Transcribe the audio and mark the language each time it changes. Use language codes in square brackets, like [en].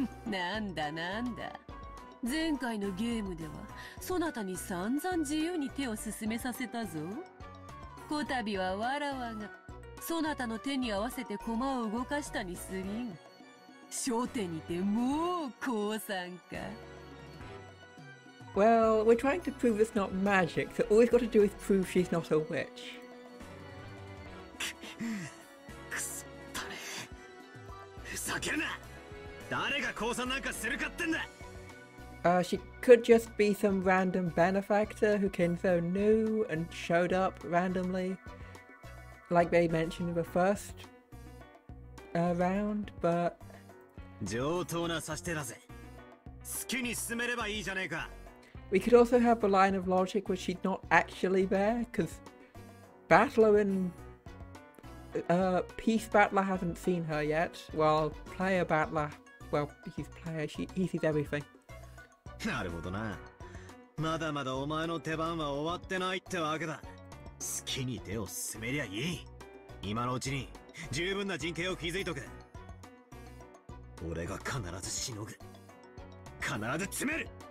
[ja] なんだなんだ、前回のゲームではそなたに散々自由に手を進めさせたぞ。こたびはわらわがそなたの手に合わせて駒を動かしたにすりん、初手にてもう降参か。 [en] Well, we're trying to prove it's not magic, so all we've got to do is prove she's not a witch. [ja] くそったれ、ふざけるな。誰が降参なんかするかってんだ。 [en] She could just be some random benefactor who Kinzo knew and showed up randomly, like they mentioned in the first round, but... [ja] 上等な指し手だぜ。好きに進めればいいじゃねえか。 [en] We could also have the line of logic where she's not actually there, because Battler and Peace Battler hasn't seen her yet, while Player Battler, well, he's player, he sees everything. [ja] なるほどな。まだまだお前の手番は終わってないってわけだ。好きに手を進めりゃいい。今のうちに十分な陣形を築いとく。俺が必ずしのぐ。必ず詰める。